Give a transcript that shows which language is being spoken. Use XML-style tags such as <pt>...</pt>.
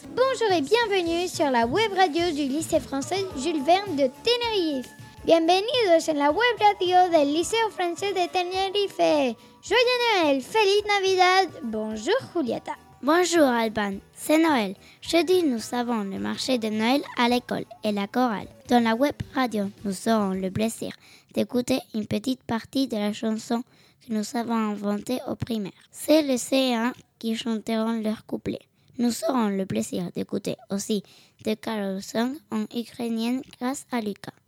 <fr>Bonjour et bienvenue sur la web radio du lycée français Jules Verne de Tenerife.</fr> <es>Bienvenidos en la web radio del liceo francés de Tenerife.</es> <fr>Joyeux Noël,</fr> <es>Feliz Navidad.</es> <fr>Bonjour Julieta. Bonjour Alban, c'est Noël. Jeudi, nous avons le marché de Noël à l'école et la chorale. Dans la web radio, nous aurons le plaisir d'écouter une petite partie de la chanson que nous avons inventée au primaire. C'est le C1 qui chanteront leur couplet. Nous aurons le plaisir d'écouter aussi The Carol Song en ukrainienne grâce à Lucas.</fr>